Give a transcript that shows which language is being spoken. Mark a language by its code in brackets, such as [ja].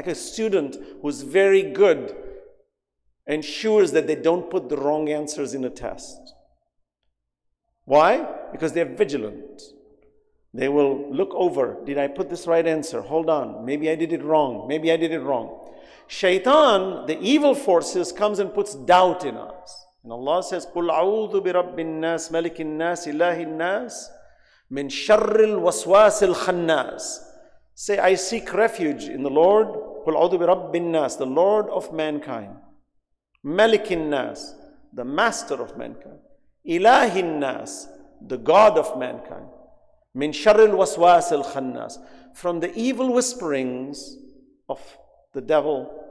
[en] Like a student who's very good ensures that they don't put the wrong answers in a test. Why? Because they're vigilant. They will look over, did I put this right answer? Hold on, maybe I did it wrong. Shaitan, the evil forces, comes and puts doubt in us. And Allah says, [ar] قُلْ أَعُوذُ بِرَبِّ النَّاسِ مَلِكِ النَّاسِ إِلَّهِ النَّاسِ مِنْ شَرِّ الْوَسْوَاسِ الْخَنَّاسِ. [en] Say, I seek refuge in the Lord, [ar] قُلْ أَعُوذُ بِرَبِّ النَّاسِ, [en] the Lord of mankind, [ar] مَلِكِ النَّاسِ, [en] the master of mankind, [ar] إِلَهِ النَّاسِ, [en] the God of mankind, [ar] مِنْ شَرِّ الْوَسْوَاسِ الْخَنَّاسِ, [en] from the evil whisperings of the devil.